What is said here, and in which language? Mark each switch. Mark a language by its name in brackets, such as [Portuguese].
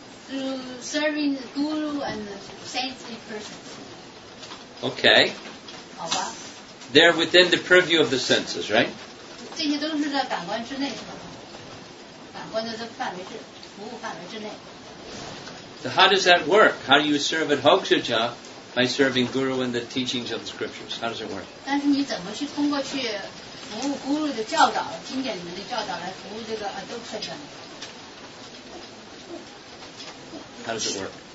[English] Through serving the guru and the saintly persons. Okay. [Chinese] 好吧。 [English] They're within the purview of the senses, right? [Chinese] 这些都是在感官之内，是吧？感官的这范围是服务范围之内。 [English] So how does that work? How do you serve at Hokshacha by serving Guru and the teachings of the scriptures? How does it work? [Chinese] 但是你怎么去通过去服务 Guru 的教导，经典里面的教导来服务这个 Hokshacha 呢？ [English] How does it work?